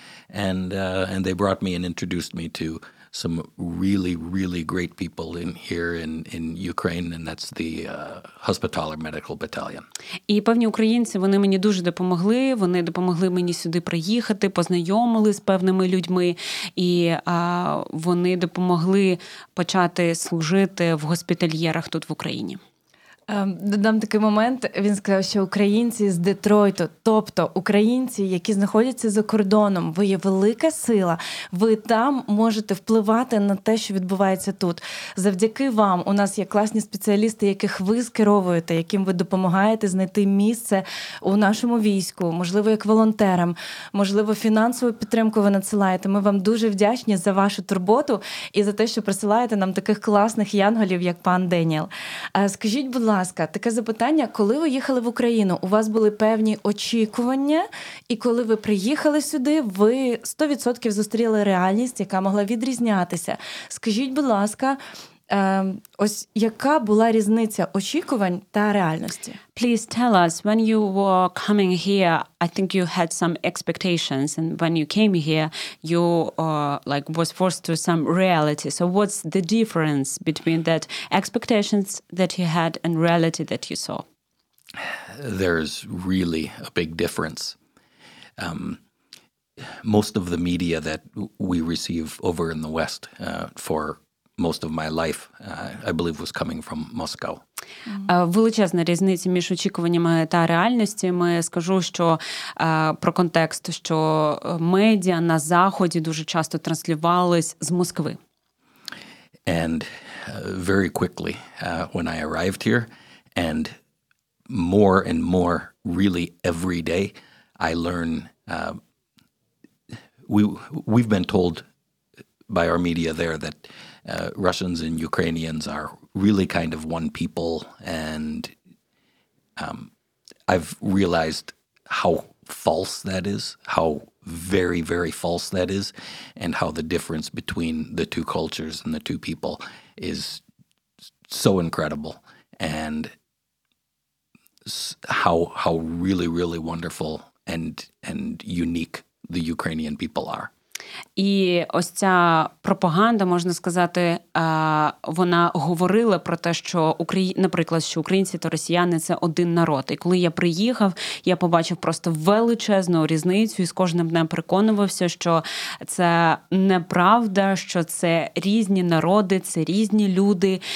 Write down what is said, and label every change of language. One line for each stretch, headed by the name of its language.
English: And they brought me and introduced me to some really, really great people in here in Ukraine, and that's the Hospitaller Medical Battalion.
Ukrainian: І певні українці, вони мені дуже допомогли, вони допомогли мені сюди приїхати, познайомили з певними людьми, і вони допомогли почати служити в госпітальєрах тут в Україні. Додам такий момент, він сказав, що українці з Детройту, тобто українці, які знаходяться за кордоном, ви є велика сила, ви там можете впливати на те, що відбувається тут. Завдяки вам у нас є класні спеціалісти, яких ви скеровуєте, яким ви допомагаєте знайти місце у нашому війську, можливо, як волонтерам, можливо, фінансову підтримку ви надсилаєте. Ми вам дуже вдячні за вашу турботу і за те, що присилаєте нам таких класних янголів, як пан Деніел. Скажіть, будь ласка, таке запитання, коли ви їхали в Україну, у вас були певні очікування, і коли ви приїхали сюди, ви 100% зустріли реальність, яка могла відрізнятися. Скажіть, будь ласка, Ось яка була різниця очікувань та реальності?
English: Please tell us, when you were coming here, I think you had some expectations, and when you came here, you like was forced to some reality. So what's the difference between that expectations that you had and reality that you saw? There's really a big difference. Most of the media that we receive over in the West for most of my life, I believe, was coming from Moscow.
Ukrainian: Величезна різниця між очікуваннями та реальністю. Скажу, що про контекст, що медіа на Заході дуже часто транслювались з Москви.
English: And very quickly, when I arrived here, and more, really every day, I learn... We've been told by our media there that Russians and Ukrainians are really kind of one people, and I've realized how false that is, how very, very false that is, and how the difference between the two cultures and the two people is so incredible, and how really, really wonderful and unique the Ukrainian people are.
Ukrainian: І ось ця пропаганда, можна сказати, вона говорила про те, що, наприклад, що українці та росіяни – це один народ. І коли я приїхав, я побачив просто величезну різницю і з кожним днем переконувався, що це неправда, що це різні народи, це різні люди.